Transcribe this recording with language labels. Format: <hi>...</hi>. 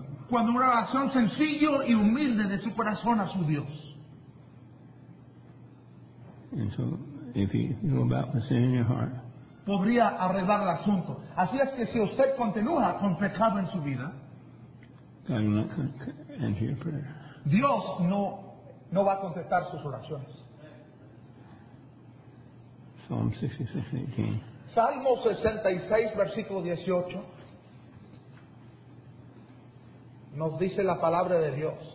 <es>Cuando una oración sencilla y humilde de su corazón a su Dios.</es> <en>And so, if you go about with sin in your heart,</en> <es>podría arreglar el asunto. Así es que si usted continúa con pecado en su vida,</es> <en>God will not answer your prayer.</en> <es>Dios no va a contestar sus oraciones.</es> <en>Psalm 66:18.</en> <es>Salmo 66, versículo 18. Nos dice la palabra de Dios.</es>